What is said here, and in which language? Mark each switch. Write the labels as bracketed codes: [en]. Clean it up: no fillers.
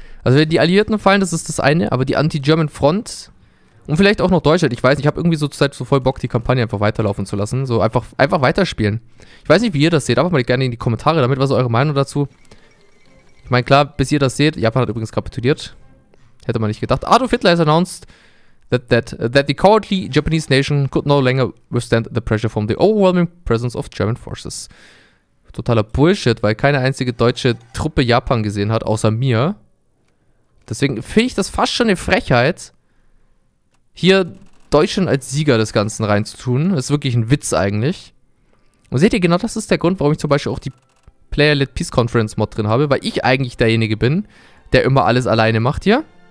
[de] Also wenn die Alliierten fallen, das ist das eine. Aber die Anti-German-Front und vielleicht auch noch Deutschland, ich weiß nicht, ich habe irgendwie zurzeit so voll Bock, die Kampagne einfach weiterlaufen zu lassen. So einfach weiterspielen. Ich weiß nicht, wie ihr das seht, aber mal gerne in die Kommentare damit, was eure Meinung dazu. Ich meine, klar, bis ihr das seht, Japan hat übrigens kapituliert. Hätte man nicht gedacht. [en] Adolf Hitler has announced that the cowardly Japanese nation could no longer withstand the pressure from the overwhelming presence of German forces. [de] Totaler Bullshit, weil keine einzige deutsche Truppe Japan gesehen hat, außer mir. Deswegen finde ich das fast schon eine Frechheit, hier Deutschland als Sieger des Ganzen reinzutun. Das ist wirklich ein Witz eigentlich. Und seht ihr, genau das ist der Grund, warum ich zum Beispiel auch die Player-Led Peace Conference Mod drin habe, weil ich eigentlich derjenige bin, der immer alles alleine macht hier.